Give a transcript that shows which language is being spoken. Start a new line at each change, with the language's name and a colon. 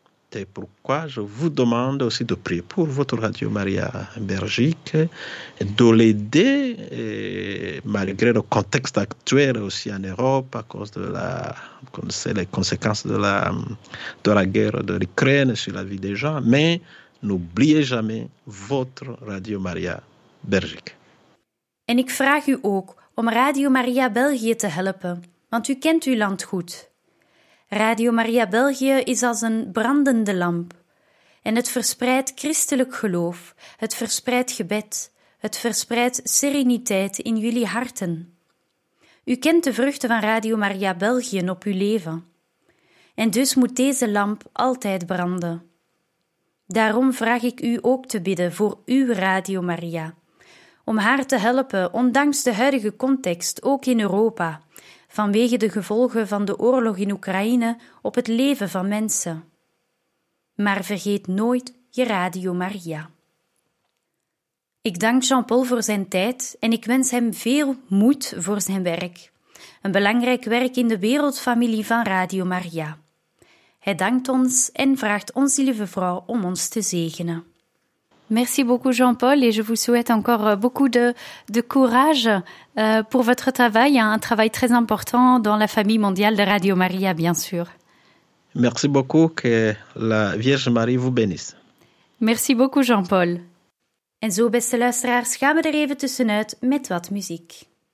French: C'est pourquoi je vous demande aussi de prier pour votre Radio Maria Belgique, de l'aider, malgré le contexte actuel aussi en Europe, à cause de les conséquences de la guerre de l'Ukraine sur la vie des gens. Mais n'oubliez jamais votre Radio Maria Belgique. Et je vous demande aussi de
Dutch: Radio Maria Belgique te helpen, want u kent uw land goed. Radio Maria België is als een brandende lamp. En het verspreidt christelijk geloof, het verspreidt gebed, het verspreidt sereniteit in jullie harten. U kent de vruchten van Radio Maria België op uw leven. En dus moet deze lamp altijd branden. Daarom vraag ik u ook te bidden voor uw Radio Maria. Om haar te helpen, ondanks de huidige context, ook in Europa, vanwege de gevolgen van de oorlog in Oekraïne op het leven van mensen. Maar vergeet nooit je Radio Maria. Ik dank Jean-Paul voor zijn tijd en ik wens hem veel moed voor zijn werk. Een belangrijk werk in de wereldfamilie van Radio Maria. Hij dankt ons en vraagt ons lieve vrouw om ons te zegenen.
French: Merci beaucoup Jean-Paul et je vous souhaite encore beaucoup de courage pour votre travail, un travail très important dans la famille mondiale de Radio Maria, bien sûr. Merci beaucoup, que la Vierge Marie vous bénisse. Merci beaucoup Jean-Paul.
Dutch: En zo, beste luisteraars, gaan we er even tussenuit met wat muziek.